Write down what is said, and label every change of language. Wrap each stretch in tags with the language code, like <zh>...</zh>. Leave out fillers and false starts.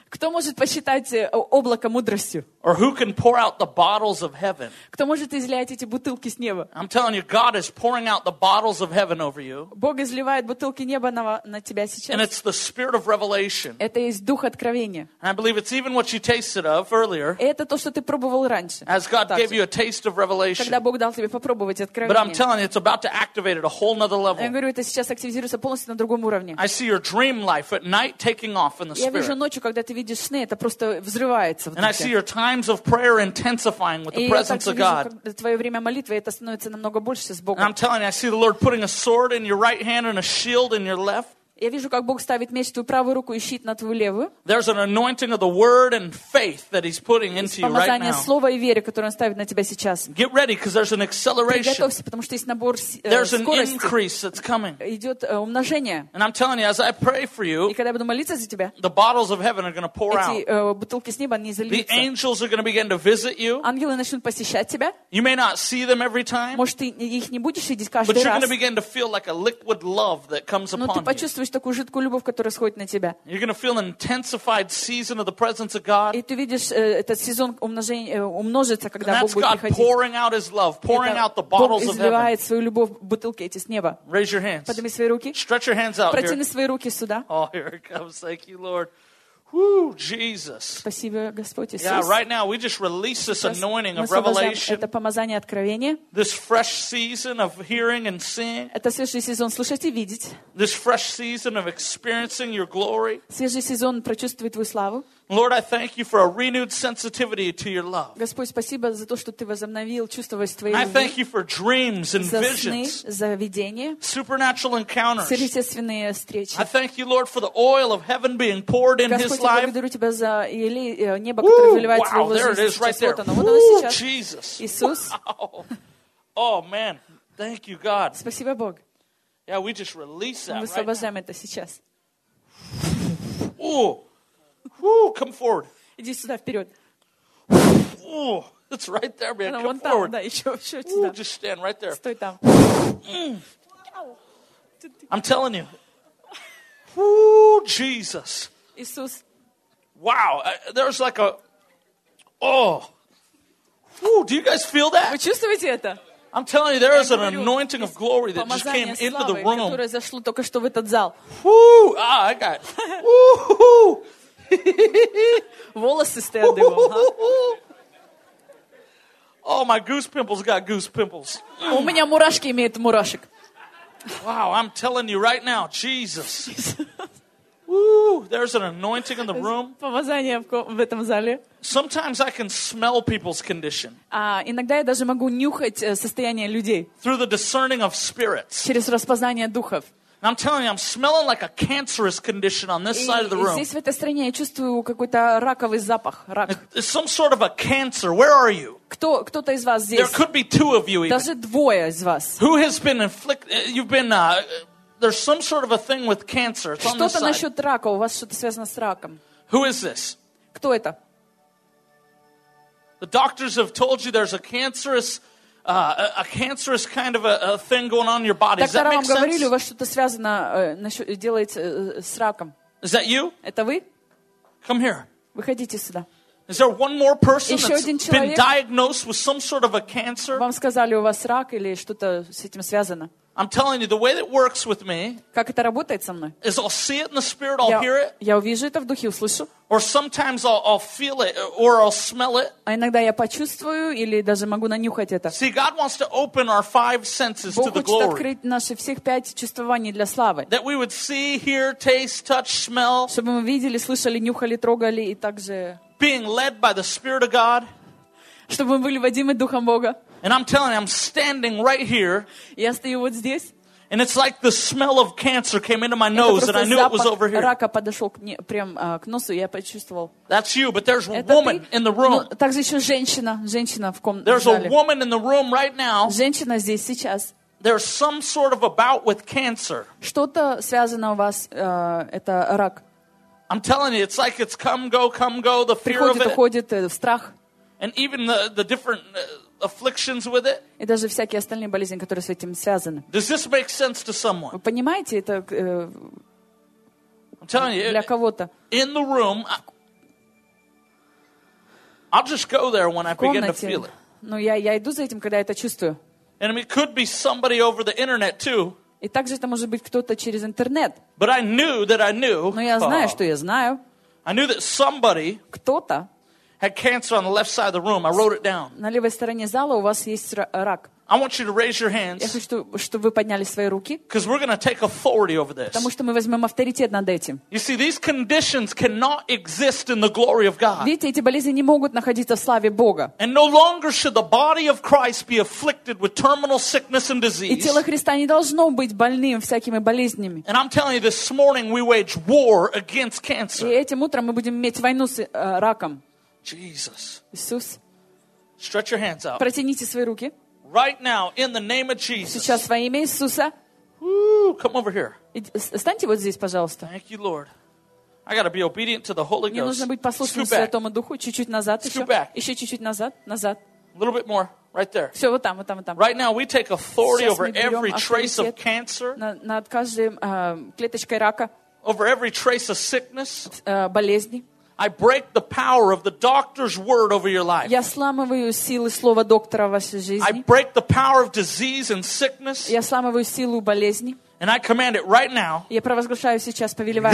<ru>Кто может посчитать облако мудростью?</ru> <en>Or who can pour out the bottles of heaven?</en> <ru>Кто может изливать эти бутылки с неба?</ru> <en>I'm telling you, God is pouring out the bottles of heaven over you.</en> <ru>Бог изливает бутылки неба на тебя сейчас.</ru> <en>And it's the spirit of revelation.</en> <ru>Это есть дух откровения.</ru> <en>And I believe it's even what you tasted of earlier.</en> <ru>Это то, что ты пробовал раньше.</ru> <en>As God gave you a taste of revelation.</en> <ru>Когда Бог дал тебе попробовать откровение.</ru> <en>But I'm telling you, it's about to activate at a whole another level.</en> <ru>Я говорю, это сейчас активизируется полностью на другом уровне.</ru> <en>I see your dream life at night taking off in the spirit.</en> <ru>Я вижу ночью, когда ты видишь сны, это просто взрывается.</ru> <en>And I see your times of prayer intensifying with the presence of God.</en> <ru>И я вижу, как твое время молитвы, это становится намного больше с Богом.</ru> <en>And I'm telling you, I see the Lord putting a sword in your right hand and a shield in your left.</en> <ru>Я вижу, как Бог ставит меч в твою правую руку и щит на твою левую.</ru> <en>There's an anointing of the word and faith that He's putting into you right now.</en> <ru>Помазание слова и веры, которое Он ставит на тебя сейчас.</ru> <en>Get ready, because there's an acceleration.</en> <ru>Приготовься, потому что есть набор скорости.</ru> <en>There's an increase that's coming.</en> <ru>Идет умножение.</ru> <en>And I'm telling you, as I pray for you,</en> <ru>и когда я буду молиться за тебя,</ru> <en>the bottles of heaven are going to pour out.</en> <ru>Эти бутылки с неба не зальются.</ru> <en>The angels are going to begin to visit you.</en> <ru>Ангелы начнут посещать тебя.</ru> <en>You may not see them every time.</en> <ru>Может, ты их не будешь видеть каждый раз.</ru> <en>But you're going to begin to feel like a liquid love that comes upon you.</en> <ru>Но ты почувствуешь такую жидкую любовь, которая сходит на тебя.</ru> <en>You're gonna feel an intensified season of the presence of God.</en> <ru>И ты видишь, этот сезон умножится, когда Бог будет приходить.</ru> <en>That's God pouring out His love, pouring out the bottles of heaven.</en> <ru>Бог изливает свою любовь в бутылки эти с неба.</ru> <en>Raise your hands.</en> <ru>Подними свои руки.</ru> <en>Stretch your hands out.</en> <ru>Протяни свои руки сюда.</ru> <en>Oh, here it comes. Thank you, Lord. Woo, Jesus.</en> <ru>Спасибо, Господь Иисус.</ru> <en>Yeah, right now we just release this anointing of revelation.</en> <ru>Это помазание откровения.</ru> <en>This fresh season of hearing and seeing.</en> <ru>Это свежий сезон слышать и видеть.</ru> <en>This fresh season of experiencing your glory.</en> <ru>Свежий сезон прочувствовать твою славу.</ru> <en>Lord, I thank you for a renewed sensitivity to your love.</en> <ru>Господь, спасибо за то, что ты возобновил чувствовать твои.</ru> <en>I thank you for dreams and visions.</en> <ru>За видения.</ru> <en>Supernatural encounters.</en> <ru>Сверхъестественные встречи.</ru> <en>I thank you, Lord, for the oil of heaven being poured in his life.</en> <ru>Господь, благодарю тебя за елей неба, которое выливается в его жизнь.</ru> <en>Wow, there it is right there.</en> <ru>Вот оно сейчас.</ru> <en>Jesus.</en> <ru>Иисус.</ru> <en>Oh man, thank you, God.</en> <ru>Спасибо, Бог.</ru> <en>Yeah, we just release that.</en> <ru>Мы освобождаем это сейчас.</ru> <en>Oh. Woo, come forward.</en> <ru>Иди сюда вперед.</ru> <en>Oh, it's right there, man.</en> <ru>Она,</ru> <en>come</en> <ru>там,</ru> <en>forward.</en> <ru>Да, еще сюда.</ru> <en>Ooh, just stand right there.</en> <ru>Стой там.</ru> <en>I'm telling you. Woo, Jesus.</en> <ru>Иисус.</ru> <en>Wow, there's like a. Oh. Woo, do you guys feel that?</en> <ru>Вы чувствуете это?</ru> <en>I'm telling you, there is an anointing of glory that just came into the room.</en> <ru>Помазание славы, которое зашло только что в этот зал.</ru> <en>Woo, ah, I got. Woo.</en> <ru>Волосы стоят дымом.</ru> <en>Oh, my goose pimples got goose pimples.</en> <ru>У меня мурашки имеют мурашек.</ru> <en>Wow, I'm telling you right now, Jesus. Woo, there's an anointing in the room.</en> <ru>Помазание в этом зале.</ru> <en>Sometimes I can smell people's condition.</en> <ru>Иногда я даже могу нюхать состояние людей.</ru> <en>Through the discerning of spirits.</en> <ru>Через распознание духов.</ru> <en>I'm telling you, I'm smelling like a cancerous condition on this side of the room.</en> <ru>Здесь, в этой стране, я чувствую какой-то раковый запах, рак.</ru> <en>It's some sort of a cancer. Where are you?</en> <ru>Кто-то из вас здесь?</ru> <en>There could be two of you even.</en> <ru>Даже двое из вас.</ru> <en>Who has been inflicted? You've been, there's some sort of a thing with cancer. It's</en> <ru>что-то</ru> <en>on this side.</en> <ru>Что-то насчет рака, у вас что-то связано с раком.</ru> <en>Who is this?</en> <ru>Кто это?</ru> <en>The doctors have told you there's a cancerous cancerous kind of a thing going on in your body. Does that make sense?</en> <ru>Говорили, у вас что-то связано делается с раком.</ru> <en>Is that you?</en> <ru>Это вы?</ru> <en>Come here.</en> <ru>Выходите сюда.</ru> <en>Is there one more person that's been diagnosed with some sort of a cancer?</en> <ru>Вам сказали, у вас рак или что-то с этим связано?</ru> <en>I'm telling you, the way that works with me.</en> <ru>Как это работает со мной?</ru> <en>Is I'll see it in the spirit, I'll hear it.</en> <ru>Я увижу это в духе, услышу.</ru> <en>Or sometimes I'll feel it or I'll smell it.</en> <ru>А иногда я почувствую или даже могу нанюхать это.</ru> <en>See, God wants to open our five senses to the glory.</en> <ru>Бог хочет открыть наши всех пять чувствований для славы.</ru> <en>That we would see, hear, taste, touch, smell.</en> <ru>Чтобы мы видели, слышали, нюхали, трогали и также.</ru> <en>Being led by the Spirit of God.</en> <ru>Чтобы мы были водимы Духом Бога.</ru> <en>And I'm telling you, I'm standing right here.</en> <ru>Я стою вот здесь.</ru> <en>And it's like the smell of cancer came into my nose, and I knew it was over here.</en> <ru>Рака подошел к носу, я почувствовал.</ru> <en>That's you, but there's a woman in the room.</en> <ru>Также еще женщина в комнате.</ru> <en>There's a woman in the room right now.</en> <ru>Женщина здесь сейчас.</ru> <en>There's some sort of a bout with cancer.</en> <ru>Что-то связано у вас это рак.</ru> <en>I'm telling you, it's like it's come go, the fear of it.</en> <ru>Приходит, уходит, страх.</ru> <en>And even the different afflictions with it.</en> <ru>И даже всякие остальные болезни, которые с этим связаны.</ru> <en>Does this make sense to someone?</en> <ru>Вы понимаете это?</ru> <en>I'm telling you,</en> <ru>для кого-то.</ru> <en>In the room, I'll just go there when I begin to feel it.</en> <ru>Я иду за этим, когда я это чувствую.</ru> <en>And it could be somebody over the internet too.</en> <ru>И также это может быть кто-то через интернет.</ru> <en>But I knew that I knew.</en> <ru>Но я знаю, что я знаю.</ru> <en>I knew that somebody.</en> <ru>Кто-то.</ru> <en>Had cancer on the left side of the room. I wrote it down.</en> <ru>На левой стороне зала у вас есть рак.</ru> <en>I want you to raise your hands.</en> <ru>Я хочу, чтобы вы подняли свои руки.</ru> <en>Because we're going to take authority over this.</en> <ru>Потому что мы возьмем авторитет над этим.</ru> <en>You see, these conditions cannot exist in the glory of God.</en> <ru>Видите, эти болезни не могут находиться в славе Бога.</ru> <en>And no longer should the body of Christ be afflicted with terminal sickness and disease.</en> <ru>И тело Христа не должно быть больным всякими болезнями.</ru> <en>And I'm telling you, this morning we wage war against cancer.</en> <ru>И этим утром мы будем иметь войну с раком.</ru> <en>Jesus.</en> <ru>Иисус.</ru> <en>Stretch your hands out.</en> <ru>Протяните свои руки.</ru> <en>Right now, in the name of Jesus.</en> <ru>Сейчас во имя Иисуса.</ru> <en>Woo, come over here.</en> <ru>Встаньте вот здесь, пожалуйста.</ru> <en>Thank you, Lord. I gotta be obedient to the Holy Ghost.</en> <ru>Мне нужно быть послушным Святому Духу. Чуть-чуть назад.</ru> <en>Scoot back.</en> <ru>Еще чуть-чуть назад.</ru> <en>A little bit more. Right there.</en> <ru>Все, вот там.</ru> <en>Right now, we take authority over every trace of cancer.</en> <ru>Над каждой клеточкой рака.</ru> <en>Over every trace of sickness.</en> <ru>Болезни.</ru> <en>I break the power of the doctor's word over your life.</en> <ru>Я сломываю силу слова доктора в вашей жизни.</ru> <en>I break the power of disease and sickness.</en> <ru>Я сломываю силу болезни.</ru> <en>And I command it right now.</en> <ru>Я провозглашаю сейчас, повелеваю.</ru>